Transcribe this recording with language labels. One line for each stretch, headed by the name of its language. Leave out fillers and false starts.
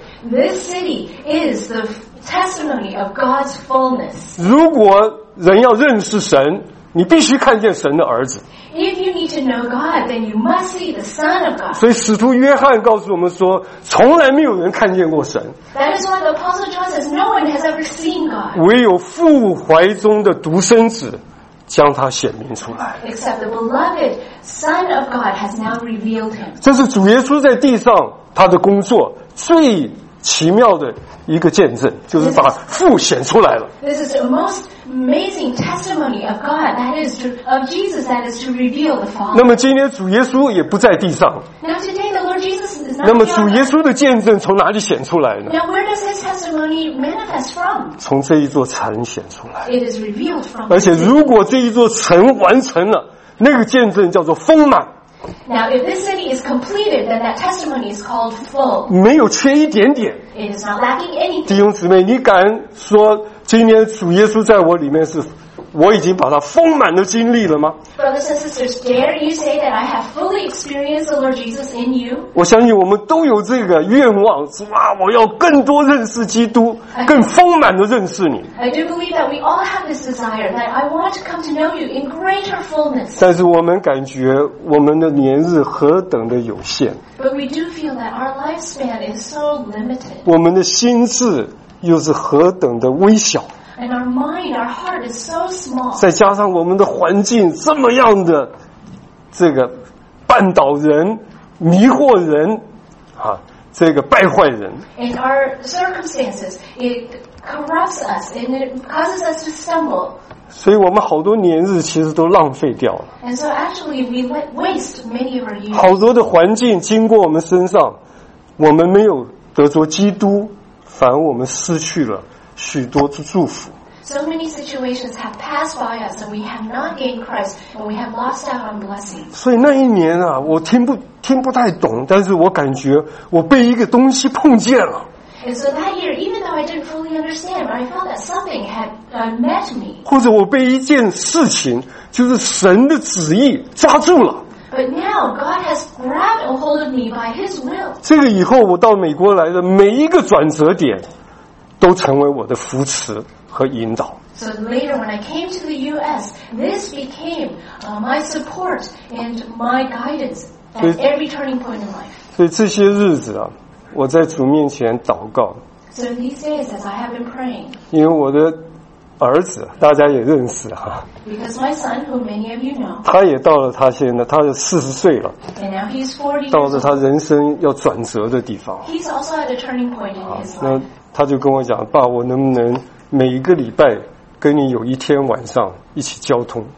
English: This city is the testimony of God's fullness.
Chinese: 如果人要认识神，你必须看见神的儿子。
English: If you need to know God, then you must see the Son of God.
Chinese: 所以使徒约翰告诉我们说，从来没有人看见过神。
English: That is why the Apostle John says no one has ever seen God.
Chinese: 唯有父怀中的独生子将他显明出来。
English: Except the beloved Son of God has now revealed him.
Chinese: 这是主耶稣在地上他的工作最奇妙的一个见证，就是把父显出来了。
English: This is the most amazing testimony of God, that is of Jesus, that is to reveal the Father.
Chinese: 那么今天主耶稣也不在地上。
English: Now today the Lord Jesus is not here.
Chinese: 那么主耶稣的见证从哪里显出来呢？
English: Now where does his testimony manifest from?
Chinese: 从这一座城显出来。
English: It is revealed from.
Chinese: 而且如果这一座城完成了，那个见证叫做丰满。
English: Now, if this city is completed, then that testimony is called full.
Chinese: 没有缺一点点。
English: It is not lacking anything.
Chinese: 弟兄姊妹，你敢说今天主耶稣在我里面是，我已经把它丰满的经历了吗
English: ？Brothers and sisters, dare you say that I have fully experienced the Lord Jesus in you?
Chinese: 我相信我们都有这个愿望，是吧？我要更多认识基督，更丰满的认识你。
English: I do believe that we all have this desire that I want to come to know you in greater fullness.
Chinese: 但是我们感觉我们的年日何等的有限。
English: But we do feel that our lifespan is so limited.
Chinese: 我们的心智又是何等的微小。
English: And our mind, our heart is so small.
Chinese: 再加上我们的环境这么样的这个绊倒人迷惑人啊，这个败坏人。
English: And our circumstances, it corrupts us and it causes us to stumble.
Chinese: 所以我们好多年日其实都浪费掉了。
English: And so actually we waste many of our years.
Chinese: 好多的环境经过我们身上，我们没有得着基督，反而我们失去了许多的祝福。
English: So many situations have passed by us, and we have not gained Christ, and we have lost out on blessings.
Chinese: 所以那一年啊，我听不太懂，但是我感觉我被一个东西碰见了。
English: And so that year, even though I didn't fully understand, I felt that something had met me.
Chinese: 或者我被一件事情，就是神的旨意抓住了。
English: But now God has grabbed a hold of me by His will.
Chinese: 这个以后我到美国来的每一个转折点。都成为我的扶持和引导。
English: So later when I came to the U.S., this became my support and my guidance at every turning point in life.
Chinese: 所以这些日子啊，我在主面前祷告。
English: So these days, as I have been praying,
Chinese: 因为我的儿子大家也认识哈。
English: Because my son, whom many of you know,
Chinese: 他也到了他现在，他是40岁了。
English: And now he's 40.
Chinese: 到了他人生要转折的地方。
English: He's also at a turning point in his life.
Chinese: 他就跟我讲，爸，我能不能每一个礼拜跟你有一天晚上一起交通？